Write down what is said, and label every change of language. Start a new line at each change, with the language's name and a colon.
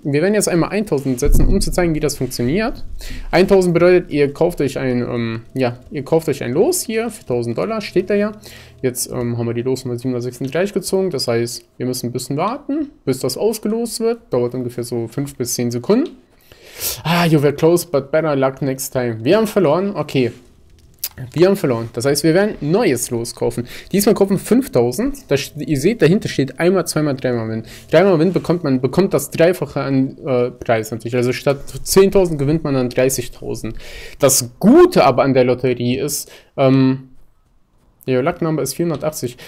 German: Wir werden jetzt einmal 1000 setzen, um zu zeigen, wie das funktioniert. 1000 bedeutet, ihr kauft euch ein, ja, ihr kauft euch ein Los hier für 1000 Dollar, steht da ja. Jetzt haben wir die Losnummer 736 gezogen. Das heißt, wir müssen ein bisschen warten, bis das ausgelost wird. Dauert ungefähr so 5 bis 10 Sekunden.
English: Ah, you were close, but better luck next time.
German: Wir haben verloren, okay. Wir haben verloren. Das heißt, wir werden neues Los kaufen. Diesmal kaufen wir 5000. Das, ihr seht, dahinter steht einmal, zweimal, dreimal Win. Dreimal Win bekommt das Dreifache an Preis natürlich. Also statt 10.000 gewinnt man dann 30.000. Das Gute aber an der Lotterie ist, ja, Luck Number ist 480.